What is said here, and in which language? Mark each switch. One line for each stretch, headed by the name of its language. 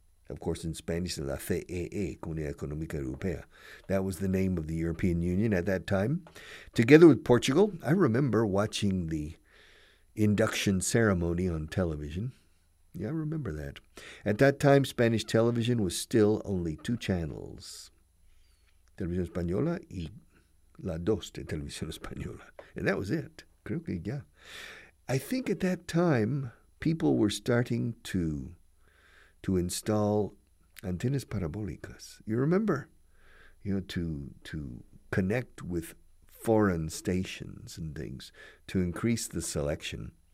English: Of course, in Spanish, la CEE, Comunidad Económica Europea. That was the name of the European Union at that time. Together with Portugal, I remember watching the induction ceremony on television. Yeah, I remember that. At that time, Spanish television was still only two channels.
Spanish: Televisión Española y La Dos de Televisión Española.
English: And that was it.
Spanish: Creo que ya.
English: I think at that time, people were starting to install antenas parabólicas. You remember? You know, to connect with foreign stations and things to increase the selection.